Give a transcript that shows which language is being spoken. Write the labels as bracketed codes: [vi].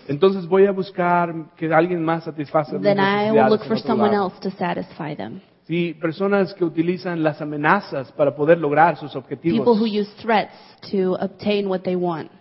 [es] Entonces voy a buscar que alguien más satisface mis necesidades. [en] Then I will look for someone else to satisfy them. [es] Sí, personas que utilizan las amenazas para poder lograr sus objetivos. [en] People who use threats to obtain what they want.